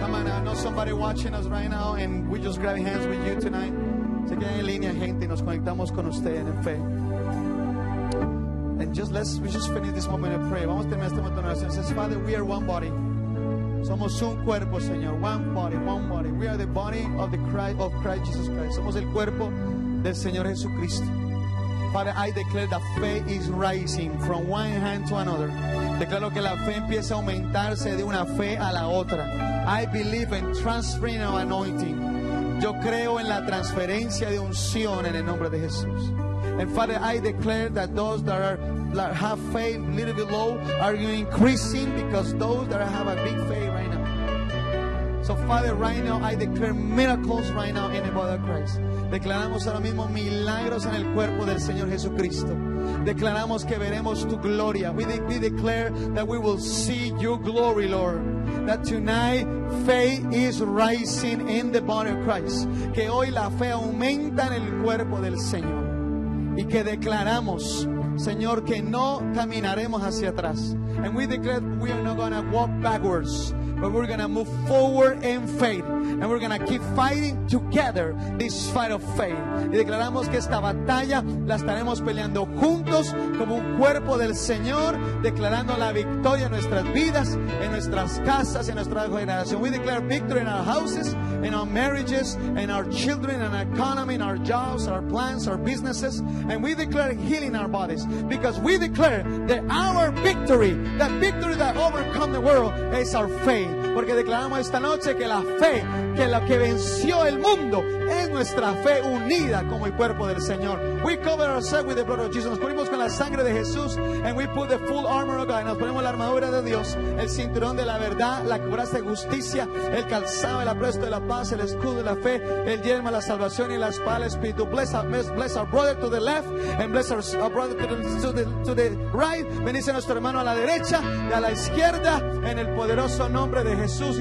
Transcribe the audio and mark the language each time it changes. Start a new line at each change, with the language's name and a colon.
English: Come on, I know somebody watching us right now, and we just grab hands with you tonight.
Spanish: Se queda en línea, gente, y nos conectamos con usted en fe.
English: And just let's finish this moment of prayer.
Spanish: Vamos a terminar este momento de oración.
English: Says, Father, we are one body.
Spanish: Somos un cuerpo, Señor.
English: One body. We are the body of the Christ, of Christ Jesus Christ.
Spanish: Somos el cuerpo del Señor Jesucristo.
English: Father, I declare that faith is rising from one hand to another.
Spanish: Declaro que la fe empieza a aumentarse de una fe a la otra.
English: I believe in transferring of anointing.
Spanish: Yo creo en la transferencia de unción en el nombre de Jesús.
English: And Father, I declare that those that have faith a little bit low are increasing because those that have a big faith right now. So Father, right now I declare miracles right now in the body of Christ.
Spanish: Declaramos ahora mismo milagros en el cuerpo del Señor Jesucristo. Declaramos que veremos tu gloria.
English: We declare that we will see your glory, Lord. That tonight faith is rising in the body of Christ.
Spanish: Que hoy la fe aumenta en el cuerpo del Señor. Y que declaramos, Señor, que no caminaremos hacia atrás.
English: And we declare we are not going to walk backwards. But we're going to move forward in faith. And we're going to keep fighting together this fight of faith.
Spanish: Y declaramos que esta batalla la estaremos peleando juntos como un cuerpo del Señor, declarando la victoria en nuestras vidas, en nuestras casas, en nuestra generación.
English: We declare victory in our houses, in our marriages, in our children, in our economy, in our jobs, our plans, our businesses. And we declare healing our bodies. Because we declare that our victory, that victory that overcomes the world, is our faith.
Spanish: Porque declaramos esta noche que la fe, que lo que venció el mundo, es nuestra fe unida como el cuerpo del Señor.
English: We cover ourselves with the blood of Jesus.
Spanish: Nos cubrimos con la sangre de Jesús.
English: And we put the full armor of God.
Spanish: Nos ponemos la armadura de Dios, el cinturón de la verdad, la coraza de justicia, el calzado, el apresto de la paz, el escudo de la fe, el yelmo de la salvación y la espada del Espíritu.
English: Bless our brother to the left and bless our brother to the right.
Spanish: Bendice a nuestro hermano a la derecha y a la izquierda en el poderoso nombre de Jesús.